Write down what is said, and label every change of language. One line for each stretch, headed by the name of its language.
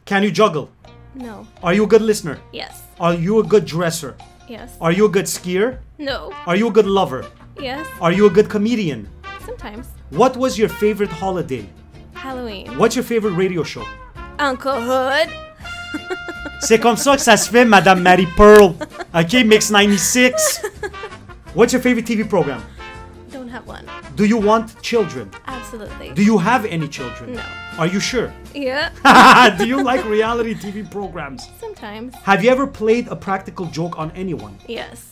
English: Can you juggle? No. Are you a good listener? Yes. Are you a good dresser? Yes. Are you a good skier? No. Are you a good lover? Yes. Are you a good comedian? Sometimes. What was your favorite holiday? Halloween. What's your favorite radio show? Uncle Hood.
French: C'est comme ça que ça se fait, Madame Mary Pearl.
English: Okay, Mix 96. What's your favorite TV program? Don't have one. Do you want children? Absolutely. Do you have any children? No. Are you sure? Yeah. Do you like reality TV programs? Sometimes. Have you ever played a practical joke on anyone? Yes.